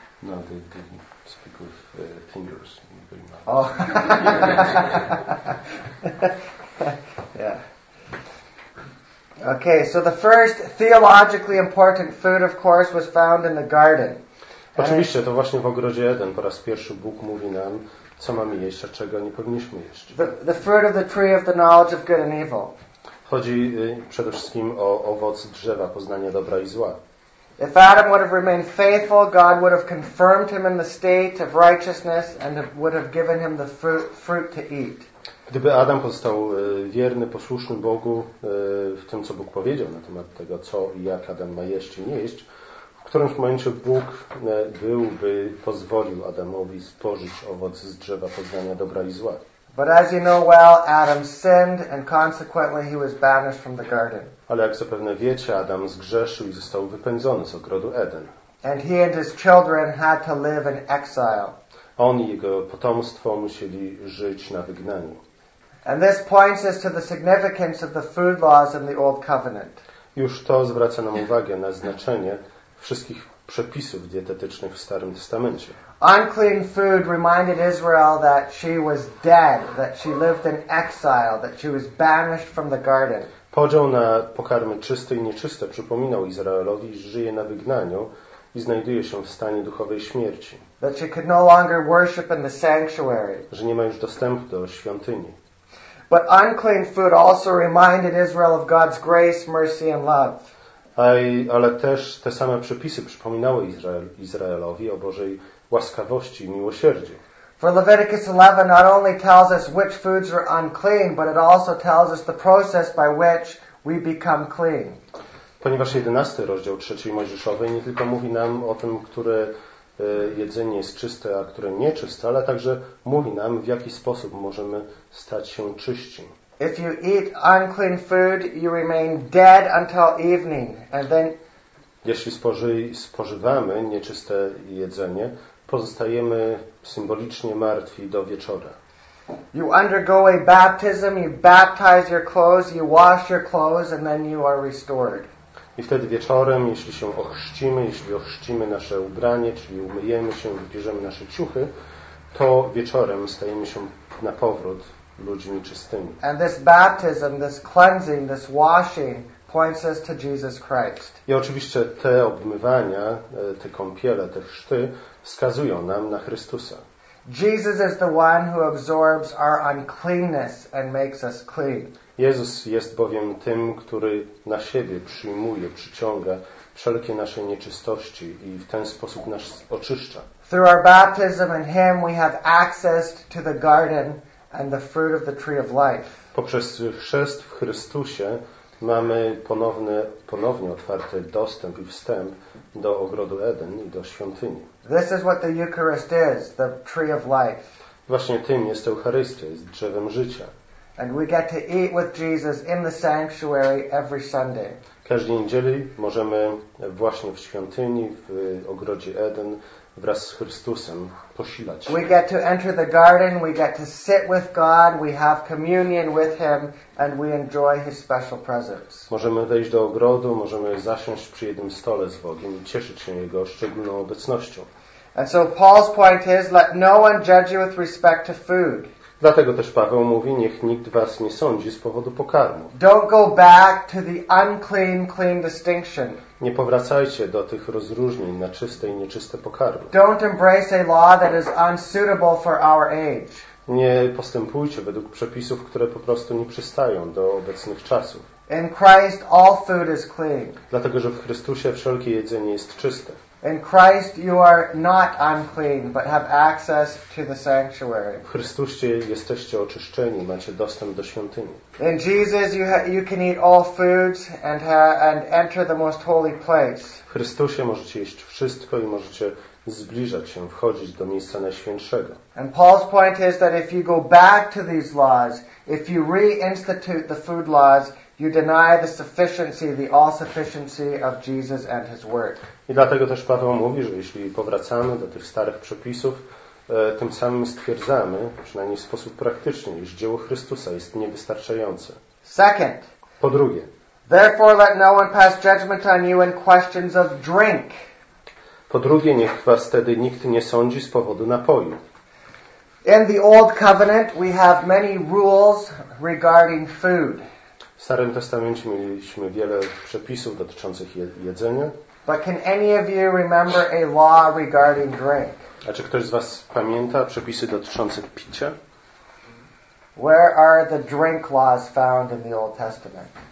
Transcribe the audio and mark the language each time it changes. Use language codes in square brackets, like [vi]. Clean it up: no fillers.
[en] No, they didn't speak with fingers very much. Oh. Yeah. Okay, so the first theologically important food, of course, was found in the garden. [pl] Oczywiście, to właśnie w Ogrodzie Eden po raz pierwszy Bóg mówi nam, co mamy jeść, a czego nie powinniśmy jeść. [en] The fruit of the tree of the knowledge of good and evil. [pl] Chodzi przede wszystkim o owoc drzewa poznania dobra i zła. [en] If Adam would have remained faithful, God would have confirmed him in the state of righteousness and would have given him the fruit to eat. [pl] Gdyby Adam pozostał wierny, posłuszny Bogu w tym, co Bóg powiedział na temat tego, co i jak Adam ma jeść i nie jeść, w którymś momencie Bóg byłby pozwolił Adamowi spożyć owoc z drzewa poznania dobra i zła. [en] But as you know well, Adam sinned and consequently he was banished from the garden. [pl] Ale jak zapewne wiecie, Adam zgrzeszył i został wypędzony z ogrodu Eden. [en] And he and his children had to live in exile. [pl] On i jego potomstwo musieli żyć na wygnaniu. [en] And this points us to the significance of the food laws in the Old Covenant. [pl] Już to zwraca nam uwagę na znaczenie wszystkich przepisów dietetycznych w Starym Testamencie. [en] Unclean food reminded Israel that she was dead, that she lived in exile, that she was banished from the garden. [pl] Podział na pokarmy czyste i nieczyste przypominał Izraelowi, że żyje na wygnaniu i znajduje się w stanie duchowej śmierci. [en] That she could no longer worship in the sanctuary. [pl] Że nie ma już dostępu do świątyni. [en] But unclean food also reminded Israel of God's grace, mercy and love. [pl] Ale też te same przepisy przypominały Izraelowi o Bożej łaskawości i miłosierdziu. [en] For Leviticus 11 not only tells us which foods are unclean, but it also tells us the process by which we become clean. [pl] Ponieważ 11 rozdział 3 Mojżeszowej nie tylko mówi nam o tym, które jedzenie jest czyste, a które nieczyste, ale także mówi nam, w jaki sposób możemy stać się czyści. [en] If you eat unclean food, you remain dead until evening, and then. [pl] Jeśli spożywamy nieczyste jedzenie, pozostajemy symbolicznie martwi do wieczora. [en] You undergo a baptism, you baptize your clothes, you wash your clothes, and then you are restored. [pl] I wtedy wieczorem, jeśli się ochrzcimy, jeśli ochrzcimy nasze ubranie, czyli umyjemy się, wybierzemy nasze ciuchy, to wieczorem stajemy się na powrót ludźmi czystymi. [en] And this baptism, this cleansing, this washing points us to Jesus Christ. [pl] I oczywiście te obmywania, te kąpiele, te chrzty wskazują nam na Chrystusa. [en] Jesus is the one who absorbs our uncleanness and makes us clean. [pl] Jezus jest bowiem tym, który na siebie przyjmuje, przyciąga wszelkie nasze nieczystości i w ten sposób nas oczyszcza. [en] Through our baptism in him we have access to the garden and the fruit of the tree of life. [pl] Poprzez chrzest w Chrystusie mamy ponownie otwarty dostęp i wstęp do ogrodu Eden i do świątyni. [en] This is what the Eucharist is, the tree of life. [pl] Właśnie tym jest Eucharystia, jest drzewem życia. [en] And we get to eat with Jesus in the sanctuary every Sunday. [pl] Każdej niedzieli możemy właśnie w świątyni, w ogrodzie Eden, wraz z Chrystusem posilać. [en] We get to enter the garden, we get to sit with God, we have communion with him and we enjoy his special presence. [pl] Możemy wejść do ogrodu, możemy zasiąść przy jednym stole z Bogiem i cieszyć się jego szczególną obecnością. [en] And so Paul's point is, let no one judge you with respect to food. [pl] Dlatego też Paweł mówi, niech nikt was nie sądzi z powodu pokarmu. [en] Don't go back to the unclean, clean distinction. [pl] Nie powracajcie do tych rozróżnień na czyste i nieczyste pokarmy. [en] Don't embrace a law that is unsuitable for our age. [pl] Nie postępujcie według przepisów, które po prostu nie przystają do obecnych czasów. [en] In Christ all food is clean. [pl] Dlatego, że w Chrystusie wszelkie jedzenie jest czyste. [en] In Christ you are not unclean, but have access to the sanctuary. [pl] W Chrystusie jesteście oczyszczeni, macie dostęp do świątyni. [en] In Jesus you can eat all foods and enter the most holy place. [pl] W Chrystusie możecie jeść wszystko i możecie zbliżać się, wchodzić do miejsca najświętszego. [en] And Paul's point is that if you go back to these laws, if you reinstitute the food laws, you deny the sufficiency, the all-sufficiency of Jesus and his work. [pl] I dlatego też Paweł mówi, że jeśli powracamy do tych starych przepisów, tym samym stwierdzamy, przynajmniej w sposób praktyczny, iż dzieło Chrystusa jest niewystarczające. [en] Second. [pl] Po drugie. [en] Therefore let no one pass judgment on you in questions of drink. [pl] Po drugie, niech was wtedy nikt nie sądzi z powodu napoju. [en] In the Old Covenant we have many rules regarding food. [pl] W Starym Testamencie mieliśmy wiele przepisów dotyczących jedzenia. [en] But can any of you remember a law regarding drink? [pl] A czy ktoś z was pamięta przepisy dotyczące picia? [en] Where are the drink laws found in the Old Testament?